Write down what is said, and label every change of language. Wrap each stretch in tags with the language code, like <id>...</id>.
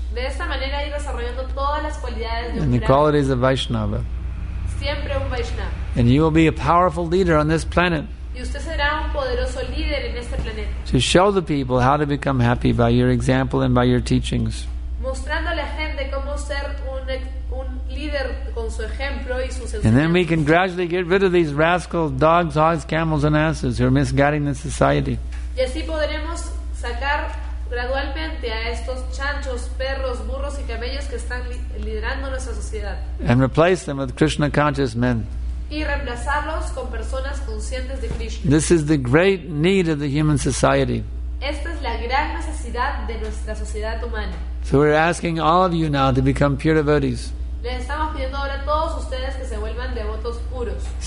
<es>De esta manera ir desarrollando todas las cualidades de</es> <en>Brahman. And the qualities of Vaishnava.</en> <es>Siempre un Vaishnava.</es> <en>And you will be a powerful leader on this planet.</en> <es>Y usted será un poderoso líder en este planeta.</es> <en>To show the people how to become happy by your example and by your teachings.</en> <es>Mostrando a la gente cómo ser un líder con su ejemplo y sus enseñanzas.</es> <en>And then we can gradually get rid of these rascals, dogs, hogs, camels and asses who are misguiding the society.</en> <es>Y así podremos sacar gradualmente a estos chanchos, perros, burros y camellos que están liderando nuestra sociedad.</es> <en>And replace them with Krishna conscious men.</en> <es>Y reemplazarlos con personas conscientes de Krishna.</es> <en>This is the great need of the human society.</en> <es>Esta es la gran necesidad de nuestra sociedad humana.</es> <en>So we're asking all of you now to become pure devotees.</en> <es>Les estamos pidiendo ahora a todos ustedes que se vuelvan devotos puros.</es>